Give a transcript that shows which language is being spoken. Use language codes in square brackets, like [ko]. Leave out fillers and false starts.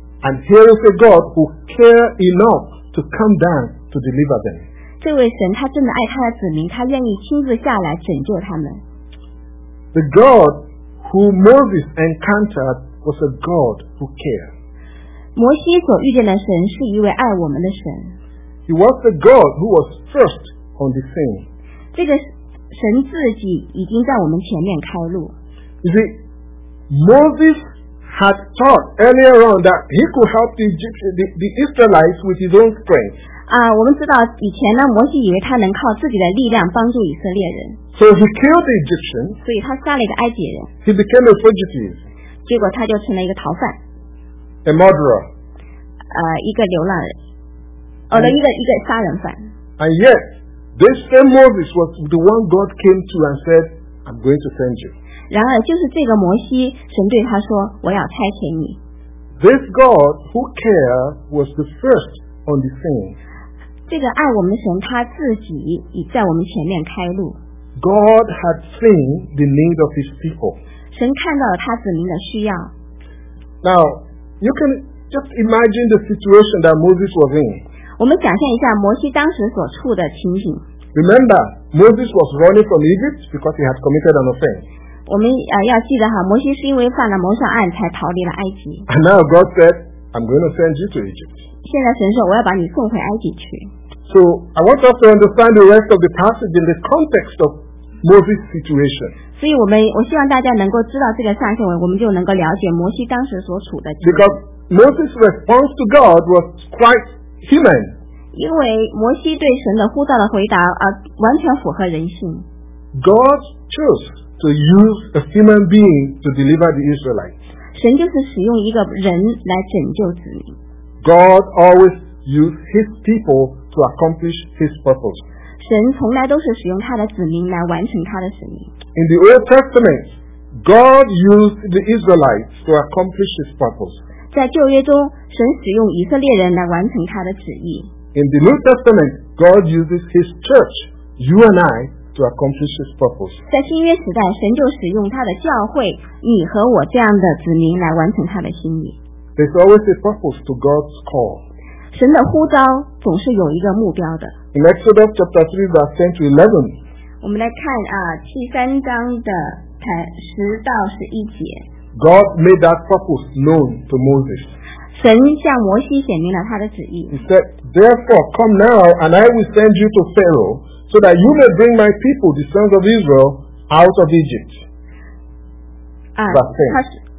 [en] And here is a God who cares enough to come down to deliver them. [zh] 这位神他真的爱他的子民，他愿意亲自下来拯救他们。 [en] The God who Moses encountered was a God who cares. [zh] 摩西所遇见的神是一位爱我们的神。 [en] He was the God who was first on the scene. [zh] 这个神自己已经在我们前面开路。 [en] You see, Moses had thought earlier on that he could help the Israelites with his own strength. [zh] 我们知道以前呢，摩西以为他能靠自己的力量帮助以色列人。 [en] So he killed the Egyptian. [zh] 所以他杀了一个埃及人。 [en] He became a fugitive. [zh] 结果他就成了一个逃犯。 [en] A murderer. [zh] 一个流浪人。一个杀人犯。 [en] And yet, this same Moses was the one God came to and said, "I'm going to send you." [zh] 然而，就是这个摩西，神对他说：“我要差遣你。” [en] This God who cares was the first on the scene. [zh] 这个爱我们的神，他自己已在我们前面开路。 [en] God had seen the need of His people. [zh] 神看到了他子民的需要。 [en] Now, you can just imagine the situation that Moses was in. [zh] 我们想象一下摩西当时所处的情景。 [en] Remember, Moses was running from Egypt because he had committed an offense. [zh] 我们要记得哈，摩西是因为犯了谋杀案才逃离了埃及。 [en] And now God said, "I'm going to send you to Egypt." [zh] 现在神说我要把你送回埃及去。 [en] So I want us to understand the rest of the passage in the context of Moses' situation. [zh] 所以我希望大家能够知道这个上下文，我们就能够了解摩西当时所处的情景。 [en] Because Moses' response to God was quite human. [zh] 因为摩西对神的呼召的回答完全符合人性。 [en] God chose to use a human being to deliver the Israelites. [zh] 神就是使用一个人来拯救子民。 [en] God always used His people to accomplish His purpose. [zh] 神从来都是使用他的子民来完成他的使命。 [en] In the Old Testament, God used the Israelites to accomplish His purpose. [zh] 在旧约中，神使用以色列人来完成他的旨意。 [en] In the New Testament, God uses His church, you and I, to accomplish His purpose. [zh] 在新约时代，神就使用他的教会，你和我这样的子民来完成他的心意。 [en] There's always a purpose to God's call. [zh] 神的呼召总是有一个目标的。 [en] In Exodus chapter 3, verse 10 to 11, [zh] 我们来看第三章的十到十一节。 [en] God made that purpose known to Moses. [zh] 神向摩西显明了他的旨意。 [en] He said, "Therefore, come now, and I will send you to Pharaoh, so that you may bring my people, the sons of Israel, out of Egypt."